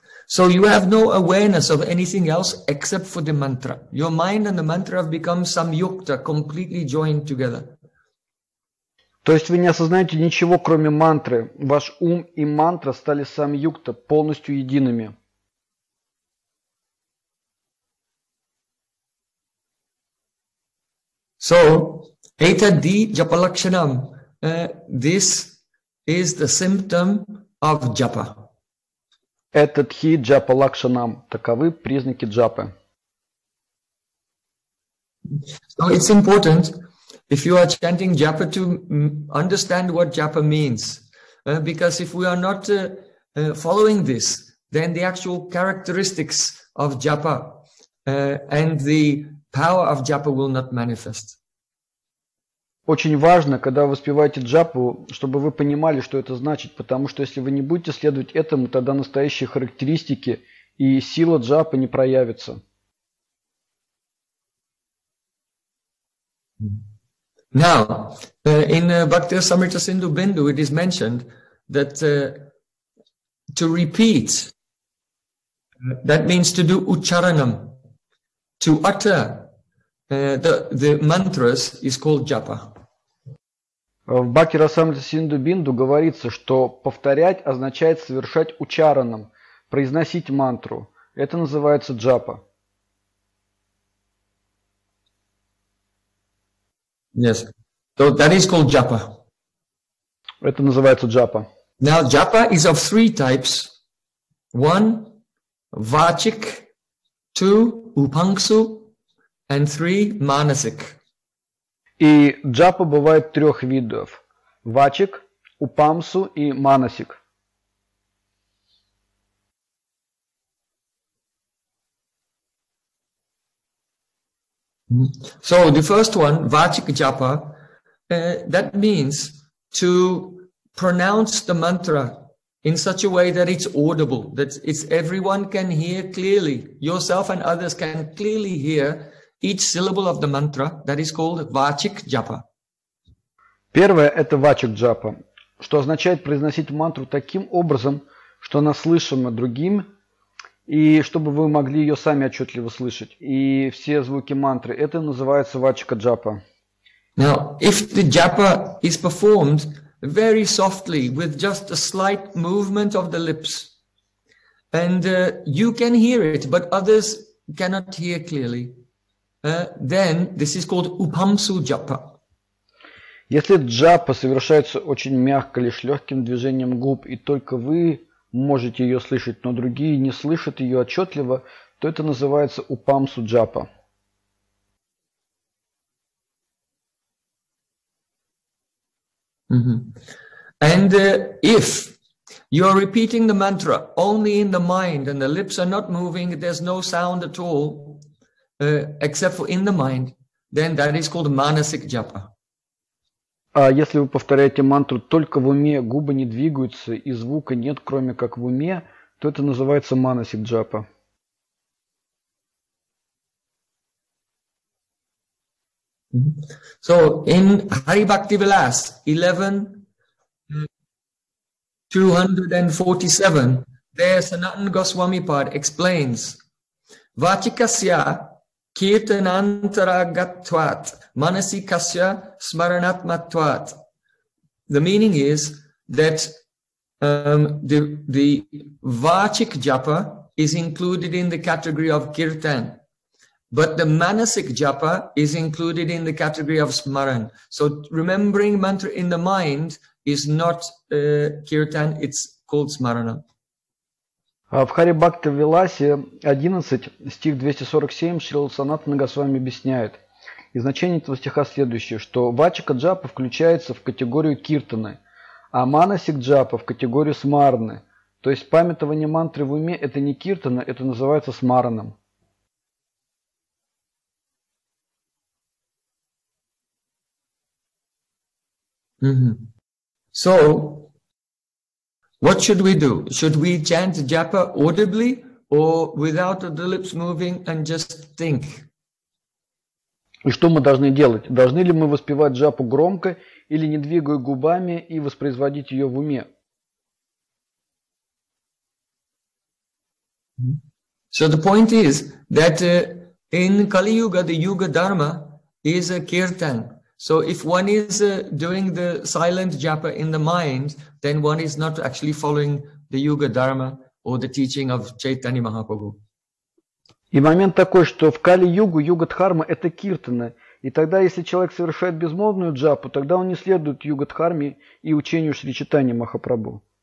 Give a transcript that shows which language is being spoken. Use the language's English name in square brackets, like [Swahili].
[English] So you have no awareness of anything else except for the mantra. Your mind and the mantra have become samyukta, completely joined together. [Russian] То есть вы не осознаете ничего, кроме мантры. Ваш ум и мантра стали самьюкта, полностью едиными. [English] So, [Sanskrit] etaddi japalakshanam, [English] this is the symptom of japa. [Sanskrit] Etaddi japalakshanam, [Russian] таковы признаки джапы. [English] So it's important, if you are chanting japa, to understand what japa means. Because if we are not following this, then the actual characteristics of japa and the power of japa will not manifest. [Russian] Очень важно, когда вы воспеваете джапу, чтобы вы понимали, что это значит, потому что если вы не будете следовать этому, тогда настоящие характеристики и сила джапы не проявятся. [English] Now, in Bhaktisamrita Sindhu Bindu it is mentioned that to repeat, that means to do ucharanam, to utter the mantras is called japa. [Russian] В Бхакти Расамрита Синдху Бинду говорится, что повторять означает совершать учаранам, произносить мантру. Это называется джапа. [English] Yes. So that is called japa. [Russian] Это называется джапа. [English] Now japa is of three types. One, vachik, two, upangsu, and three, manasik. [Russian] И джапа бывает трех видов. Вачик, упамсу и манасик. [English] So the first one, vachika japa, that means to pronounce the mantra in such a way that it's audible, that it's everyone can hear clearly, yourself and others can clearly hear each syllable of the mantra, that is called vachika japa. [Russian] Первое – это вачик джапа, что означает произносить мантру таким образом, что она слышима другим, и чтобы вы могли ее сами отчетливо слышать. И все звуки мантры – это называется вачика джапа. [English] Now, if the japa is performed very softly, with just a slight movement of the lips, and you can hear it, but others cannot hear clearly, then this is called upamsu japa. [Russian] Если джапа совершается очень мягко, лишь легким движением губ, и только вы можете ее слышать, но другие не слышат ее отчетливо, то это называется упамсу джапа. [English] And if you are repeating the mantra only in the mind and the lips are not moving, there's no sound at all, except for in the mind, then that is called manasik japa. [Russian] А если вы повторяете мантру только в уме, губы не двигаются и звука нет, кроме как в уме, то это называется манасик джапа. [English] So in Hari Bhakti Vilas 11.247, there Sanatan Goswami Pad explains [Sanskrit] Vachikasya Kirtanantaragatvat Manasi Kasya Smaranatmatvat. [English] The meaning is that the Vachik Japa is included in the category of Kirtan, but the Manasik Japa is included in the category of Smaran. So remembering mantra in the mind is not Kirtan, it's called Smarana. [Russian] В Хари Бхакти Виласе 11, стих 247, Шрила Санатана Госвами объясняет. И значение этого стиха следующее, что Вачика Джапа включается в категорию Киртаны, а Манасик Джапа в категорию Смарны. То есть памятование мантры в уме – это не Киртана, это называется Смараном. [English] So, what should we do? Should we chant japa audibly or without the lips moving and just think? [Russian] И что мы должны делать? Должны ли мы воспевать джапу громко или не двигая губами и воспроизводить ее в уме? [English] So the point is that in Kali Yuga, the Yuga Dharma is a kirtan. So if one is doing the silent japa in the mind, then one is not actually following the Yuga Dharma or the teaching of Chaitanya Mahaprabhu. [Russian] И момент такой, что в Кали-Югу Юга-Дхарма – это киртана. И тогда, если человек совершает безмолвную джапу, тогда он не следует Юга-Дхарме и учению Шри Чайтанья Махапрабху.